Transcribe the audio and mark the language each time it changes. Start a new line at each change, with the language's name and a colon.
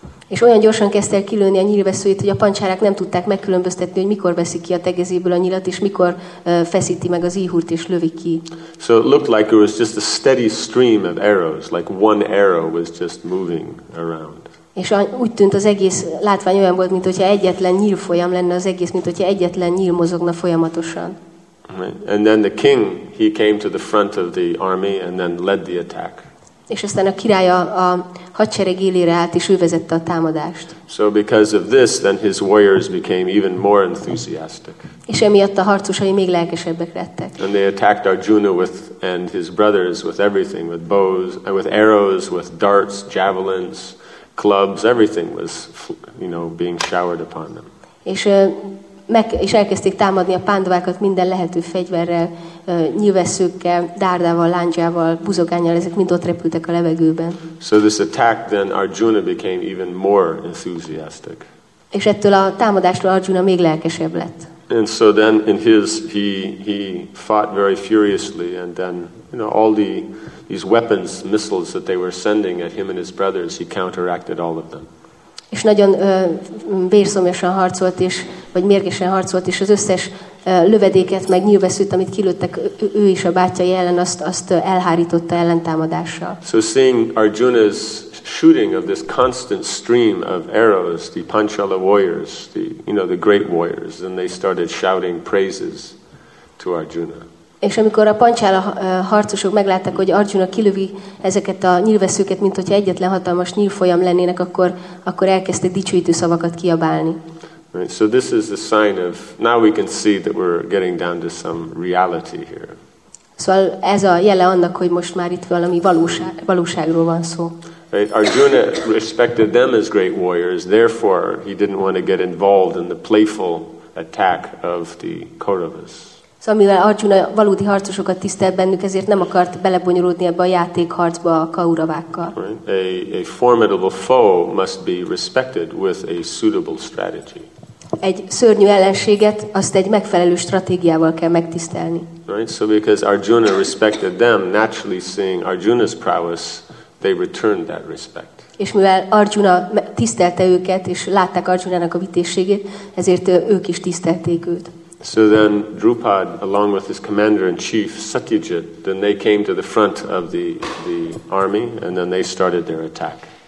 Hungarian: És olyan gyorsan kezdte el kilőni a nyílveszőjét, hogy a pancsárák nem tudták megkülönböztetni, hogy mikor veszik ki a tegezéből a nyilat, és mikor feszíti meg az íhurt, és lövi ki.
English: So it looked like it was just a steady stream of arrows, like one arrow was just moving around.
Hungarian: És úgy tűnt az egész látvány olyan volt, mint hogyha egyetlen nyíl folyam lenne az egész, mint hogyha egyetlen nyíl mozogna folyamatosan.
English: And then the king, he came to the front of the army and then led the attack.
Hungarian: És aztán a király a hadsereg élére állt és ő vezette a támadást.
English: So because of this, then his warriors became even more enthusiastic.
Hungarian: És emiatt a harcosai még lelkesebbek lettek.
English: And they attacked Arjuna with and his brothers with everything, with bows, with arrows, with darts, javelins, clubs, everything was, you know, being showered upon them.
Hungarian: És elkezdték támadni a pándovákat minden lehető fegyverrel, nyilvesszőkkel, dárdával, lándzsával, buzogánnyal, ezek mind ott repültek a levegőben.
English: So this attack, then Arjuna became even more enthusiastic.
Hungarian: És ettől a támadástól Arjuna még lelkesebb lett.
English: And so then in his he fought very furiously, and then, you know, all these weapons, missiles that they were sending at him and his brothers, he counteracted all of them.
Hungarian: És nagyon vérszomjasan harcolt is, vagy mérgesen harcolt is, az összes lövedéket meg nyilvesszőt, amit kilőttek ő is a bátyai ellen, azt elhárította ellentámadással.
English: So seeing Arjuna's shooting of this constant stream of arrows, the Panchala warriors, the, you know, the great warriors, and they started shouting praises to Arjuna.
Hungarian: És amikor a Panchala harcosok meglátták, hogy Arjuna kilövi ezeket a nyílveszőket, mint hogyha egyetlen hatalmas nyílfolyam lennének, akkor elkezdték dicsőítő szavakat kiabálni.
English: Right, so this is the sign of, now we can see that we're getting down to some reality here.
Hungarian: Szóval ez a jele annak, hogy most már itt valami valóságról van szó.
English: Right, Arjuna respected them as great warriors, therefore he didn't want to get involved in the playful attack of the Kauravas.
Hungarian: Szóval mivel Arjuna valódi harcosokat tisztelt bennük, ezért nem akart belebonyolódni ebbe a játékharcba a kauravákkal.
English: A formidable foe must be respected with a suitable strategy.
Hungarian: Egy szörnyű ellenséget, azt egy megfelelő stratégiával kell megtisztelni.
English: Right, so because Arjuna respected them, naturally seeing Arjuna's prowess, they returned that respect.
Hungarian: És mivel Arjuna tisztelte őket, és látták Arjunának a vitézségét, ezért ők is tisztelték őt.
English: So then Drupad, along with his commander-in-chief, Satyajit, then they came to the front of the army, and then they started their attack.